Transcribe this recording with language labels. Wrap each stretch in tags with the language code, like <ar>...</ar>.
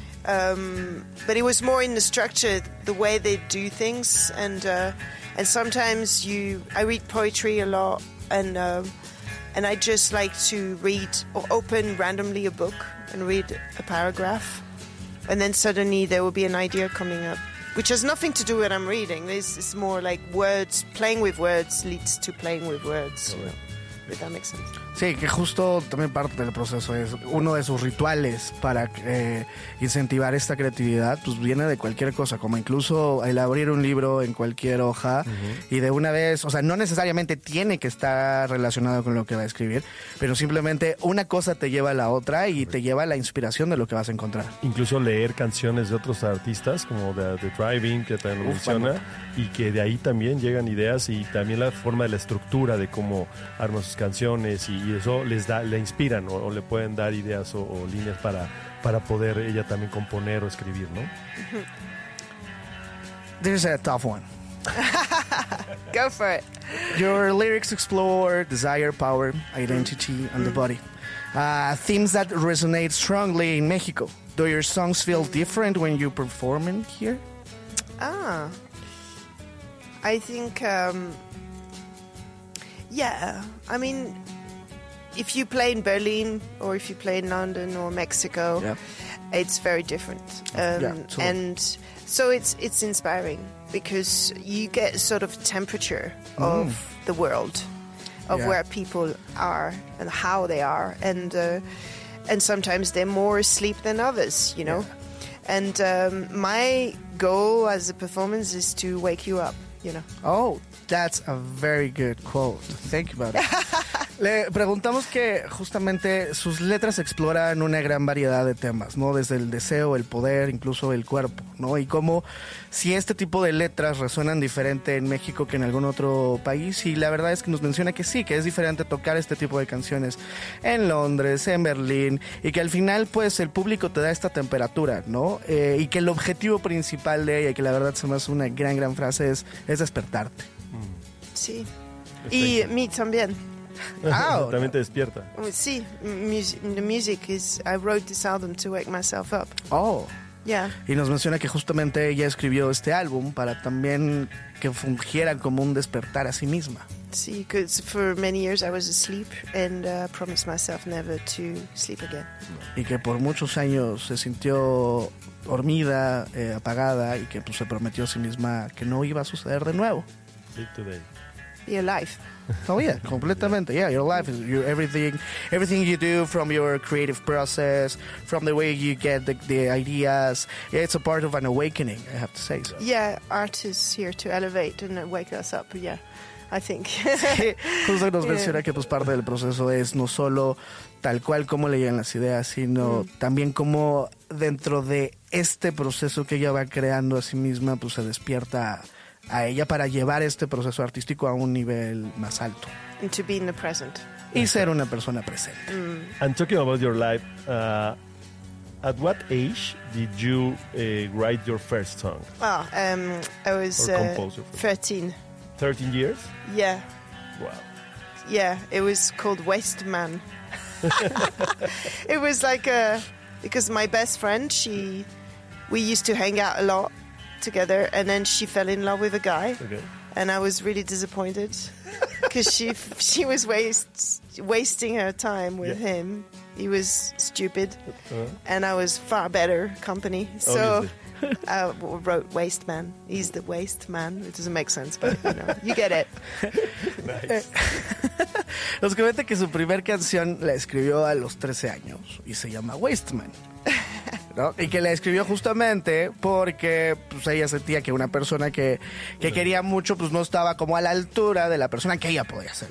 <en>But it was more in the structure, the way they do things, and sometimes I read poetry a lot, and I just like to read or open randomly a book and read a paragraph, and then suddenly there will be an idea coming up, which has nothing to do with what I'm reading. It's more like words, playing with words leads to playing with words. Okay. If that makes sense.</en> <es>Sí, que justo también parte del proceso es uno de sus rituales para incentivar esta creatividad, pues viene de cualquier cosa, como incluso el abrir un libro en cualquier hoja y de una vez, o sea, no necesariamente tiene que estar relacionado con lo que va a escribir, pero simplemente una cosa te lleva a la otra y te lleva a la inspiración de lo que vas a encontrar. Incluso leer canciones de otros artistas, como The Driving, que también lo menciona, y que de ahí también llegan ideas y también la forma de la estructura de cómo arma sus canciones y eso les da, le inspiran o le pueden dar ideas o líneas para poder ella también componer o escribir, ¿no?</es> <en>This is a tough one. Go for it. Your lyrics explore desire, power, identity, and the body. Themes that resonate strongly in Mexico. Do your songs feel different when you perform in here? I think, yeah, I mean, if you play in Berlin or if you play in London or Mexico, it's very different. And so it's inspiring because you get sort of temperature of the world, of where people are and how they are. And sometimes they're more asleep than others, you know. Yeah. And my goal as a performance is to wake you up, you know. Oh, that's a very good quote. Thank you, buddy.</en> <es>Le preguntamos que justamente sus letras exploran una gran variedad de temas, ¿no? Desde el deseo, el poder, incluso el cuerpo, ¿no? Y cómo, si este tipo de letras resuenan diferente en México que en algún otro país. Y la verdad es que nos menciona que sí, que es diferente tocar este tipo de canciones en Londres, en Berlín. Y que al final, pues, el público te da esta temperatura, ¿no? Y que el objetivo principal de ella, que la verdad se me hace una gran, gran frase, es despertarte. Sí. Y mí también. También te despierta.</es> <en>Sí, the music is. I wrote this album to wake myself up. Oh, yeah.</en> <es>Y nos menciona que justamente ella escribió este álbum para también que fungiera como un despertar a sí misma.</es> <en>Sí, because for many years I was asleep and promised myself never to sleep again.</en> <es>Y que por muchos años se sintió dormida, apagada y que pues se prometió a sí misma que no iba a suceder de nuevo.</es> <en>Live today. Be alive. Oh yeah,</en> <es>completamente.</es> <en>Yeah, your life is your everything you do, from your creative process, from the way you get the ideas. Yeah, it's a part of an awakening, I have to say. So. Yeah, art is here to elevate and wake us up. Yeah, I think.</en> <es>Sí, justo nos menciona que pues parte del proceso es no solo tal cual cómo le llegan las ideas, sino también cómo dentro de este proceso que ella va creando a sí misma, pues se despierta a ella para llevar este proceso artístico a un nivel más alto.</es> <en>And to be in the present.</en> <es>Y ser una persona presente. Mm.</es> <en>And talking about your life, at what age did you write your first song? Well, I was 13. 13 years? Yeah. Wow. Yeah, it was called Waste Man. It was like because my best friend, we used to hang out a lot together, and then she fell in love with a guy, and I was really disappointed because she was wasting her time with him, he was stupid, and I was far better company. So I wrote Waste Man. He's the Waste Man. It doesn't make sense, but you know, you get it. Nice.</en> <es>Nos comenta que su primer canción la escribió a los 13 años y se llama Waste Man. ¿No? Y que la escribió justamente porque pues, ella sentía que una persona que quería mucho pues no estaba como a la altura de la persona que ella podía ser.</es>